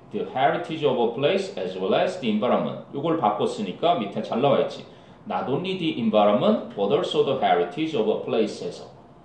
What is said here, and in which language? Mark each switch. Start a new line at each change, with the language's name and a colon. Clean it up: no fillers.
English: The heritage of a place as well as the environment.
Korean: 이걸 바꿨으니까 밑에 잘 나와있지.
English: Not only the environment, but also the heritage of a place에서.